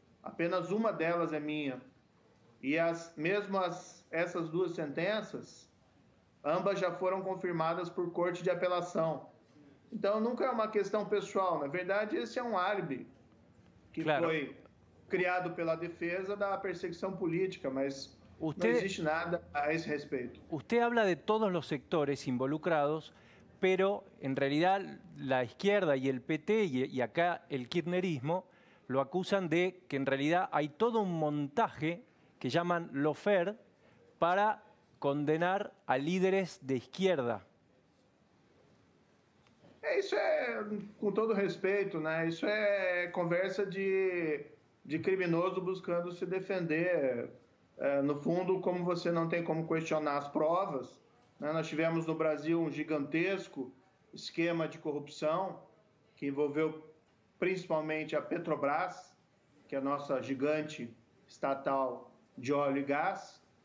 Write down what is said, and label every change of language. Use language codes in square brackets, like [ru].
[pt] Apenas uma delas é minha. E essas duas sentenças, ambas já foram confirmadas por corte de apelação. Então, nunca é uma questão pessoal. Na verdade, esse é um álibi que foi criado pela defesa da perseguição política, mas... [es] Usted, no existe nada a ese respecto. Usted habla de todos los sectores involucrados, pero en realidad la izquierda y el PT y acá el kirchnerismo lo acusan de que en realidad hay todo un montaje que llaman lofer para condenar a líderes de izquierda. [pt] Isso é, com todo respeito, né? Isso é conversa de criminoso buscando se defender. É, no fundo, como você não tem como questionar as provas, né? Nós tivemos no Brasil um gigantesco esquema de corrupção que envolveu principalmente a Petrobras, que é a nossa gigante estatal de óleo e gás.